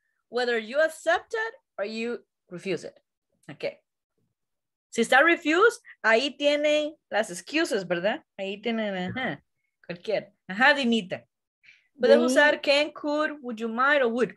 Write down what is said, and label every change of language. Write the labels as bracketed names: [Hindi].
[English] Whether you accept it or you refuse it. Okay. [Spanish] Si está refused, ahí tienen las excuses, ¿verdad? Ahí tienen, ajá. Cualquiera. Ajá, Dinita. Puedes usar [English] can, could, would you mind, or would.